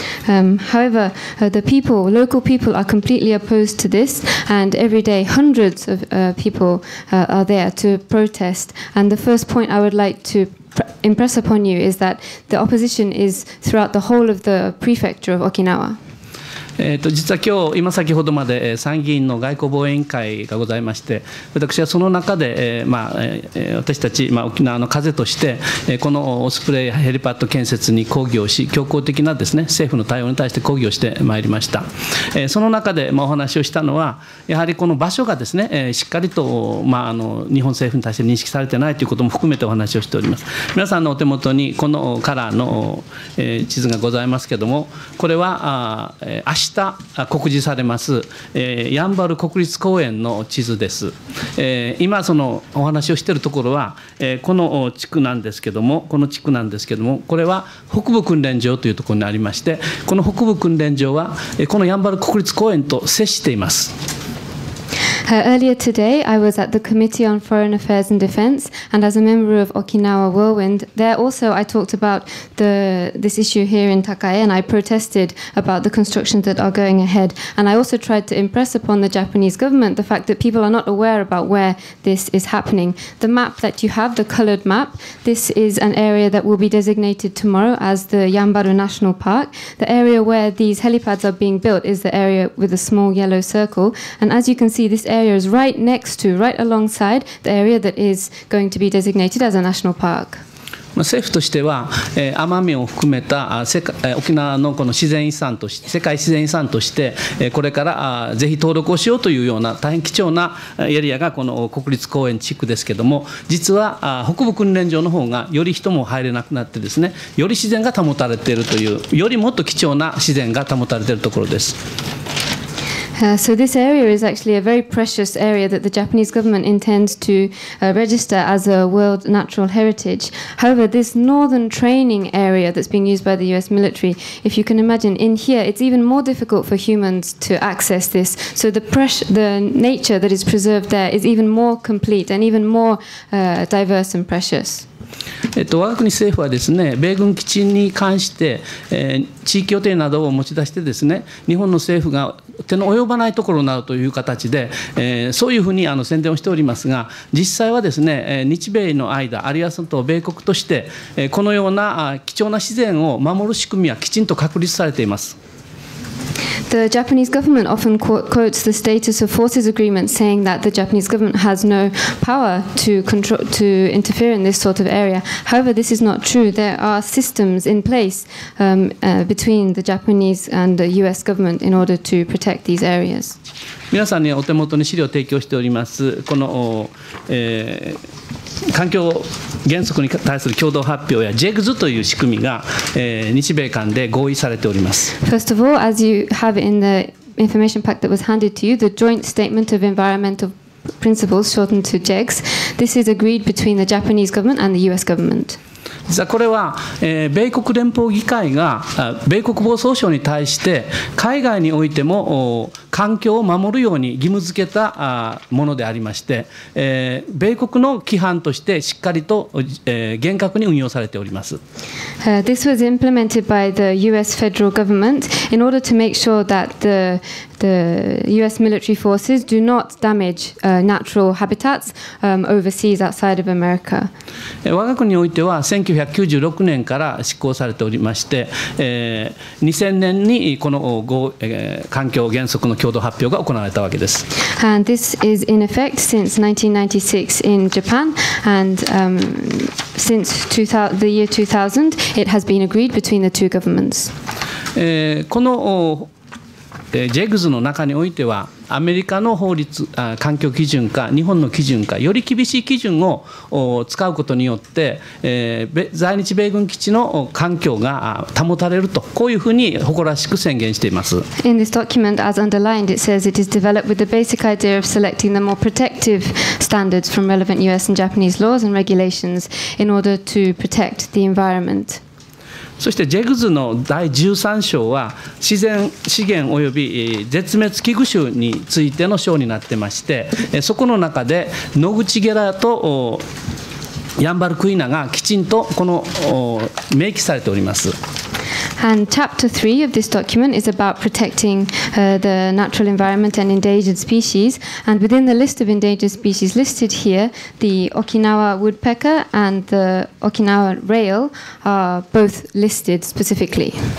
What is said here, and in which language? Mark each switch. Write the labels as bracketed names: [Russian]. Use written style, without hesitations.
[English] However, the people, local people are completely opposed to this and every day hundreds of people are there to protest. And the first point I would like to impress upon you is that the opposition is throughout the whole of the prefecture of Okinawa. [Japanese] 実は今日今先ほどまで参議院の外交防衛委員会がございまして私はその中で、まあ、私たち、まあ、沖縄の風としてこのオスプレイヘリパッド建設に抗議をし強硬的なですね政府の対応に対して抗議をしてまいりました。その中で、まあ、お話をしたのはやはりこの場所がですねしっかりと、まあ、あの日本政府に対して認識されてないということも含めてお話をしております。皆さんのお手元にこのカラーの地図がございますけれどもこれは明日告示されます、ヤンバル国立公園の地図です。今そのお話をしているところは、この地区なんですけどもこの地区なんですけどもこれは北部訓練場というところにありましてこの北部訓練場は、このヤンバル国立公園と接しています。 [English] Earlier today, I was at the Committee on Foreign Affairs and Defense, and as a member of Okinawa Whirlwind, there also I talked about this issue here in Takae, and I protested about the constructions that are going ahead. And I also tried to impress upon the Japanese government the fact that people are not aware about where this is happening. The map that you have, the colored map, this is an area that will be designated tomorrow as the Yanbaru National Park. The area where these helipads are being built is the area with a small yellow circle, and as you can see, this area is right next to, right alongside the area that is going to be designated as a national park. [Japanese] 政府としては奄美を含めた沖縄のこの自然遺産として世界自然遺産としてこれからぜひ登録をしようというような大変貴重なエリアがこの国立公園地区ですけれども実は北部訓練場の方がより人も入れなくなってですねより自然が保たれているというよりもっと貴重な自然が保たれているところです。 [English] So this area is actually a very precious area that the Japanese government intends to register as a World Natural Heritage. However, this northern training area that's being used by the US military, if you can imagine, in here, it's even more difficult for humans to access this. So the nature that is preserved there is even more complete and even more diverse and precious. [Japanese] 我が国政府はですね米軍基地に関して、地域予定などを持ち出してですね日本の政府が手の及ばないところなどという形で、そういうふうに宣伝をしておりますが実際はですね日米の間あるいはその米国としてこのような貴重な自然を守る仕組みはきちんと確立されています。 [English] The Japanese government often quotes the status of forces agreement saying that the Japanese government has no power to control, to interfere in this sort of area. However, this is not true. There are systems in place between the Japanese and the US government in order to protect these areas. [Japanese] 皆さんにお手元に資料を提供しております。この、環境原則に対する共同発表やジェグズという仕組みが、日米間で合意されております。 [English] First of all, as you have in the information pack that was handed to you, the Joint Statement of Environmental Principles, shortened to JEGS, this is agreed between the Japanese government and the US government. [Japanese] 実はこれは、米国連邦議会が米国防総省に対して海外においても環境を守るように義務付けたものでありまして、米国の規範としてしっかりと、厳格に運用されております。 [English] This was implemented by the US federal government in order to make sure that the US military forces do not damage natural habitats overseas outside of America. [Japanese] 我が国においては1996年から施行されておりまして、2000年にこの環境原則の協共同発表が行われたわけです。 [English] And this is in effect since 1996 in Japan, and since the year 2000, it has been agreed between the two governments. [Japanese] このジェグズの中においては、アメリカの法律、環境基準か日本の基準か、より厳しい基準を使うことによって、在日米軍基地の環境が保たれると、こういうふうに誇らしく宣言しています。 [English] In this document, as underlined, it says it is developed with the basic idea of selecting the more protective standards from relevant US and Japanese laws and regulations in order to protect the environment. [Japanese] そしてジェグズの第13章は自然資源および絶滅危惧種についての章になってまして、そこの中でノグチゲラとヤンバルクイナがきちんとこの明記されております。 [English] And chapter 3 of this document is about protecting the natural environment and endangered species, and within the list of endangered species listed here, the Okinawa woodpecker and the Okinawa rail are both listed specifically.